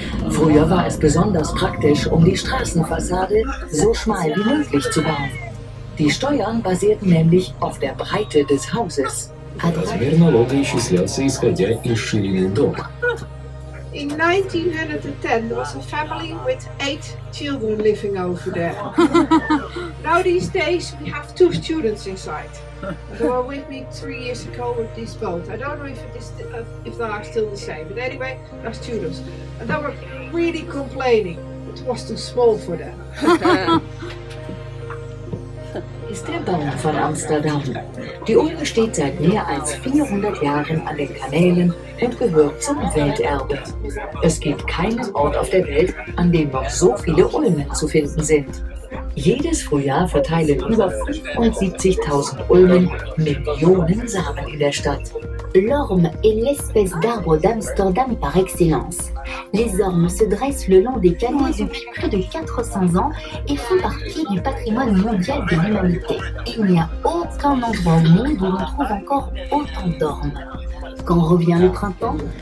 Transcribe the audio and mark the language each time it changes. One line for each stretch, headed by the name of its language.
German: Früher war es besonders praktisch, um die Straßenfassade so schmal wie möglich zu bauen. Die Steuern basierten nämlich auf der Breite des Hauses.
Russian: Размер налога исчислялся исходя из ширины дома.
English: In 1910, there was a family with 8 children living over there. Now these days, we have 2 students inside. They were with me 3 years ago with this boat. I don't know if it is, if they are still the same, but anyway, they're students. And they were really complaining. It was too small for them.
German: Ist der Baum von Amsterdam. Die Ulme steht seit mehr als 400 Jahren an den Kanälen und gehört zum Welterbe. Es gibt keinen Ort auf der Welt, an dem noch so viele Ulmen zu finden sind. Jedes Frühjahr verteilen über 75.000 Ulmen Millionen Samen in der Stadt.
French: L'orme est l'espèce d'arbre d'Amsterdam par excellence. Les ormes se dressent le long des canaux depuis près de 400 ans et font partie du patrimoine mondial de l'humanité. Il n'y a aucun endroit au monde où l'on trouve encore autant d'ormes. Quand revient le printemps,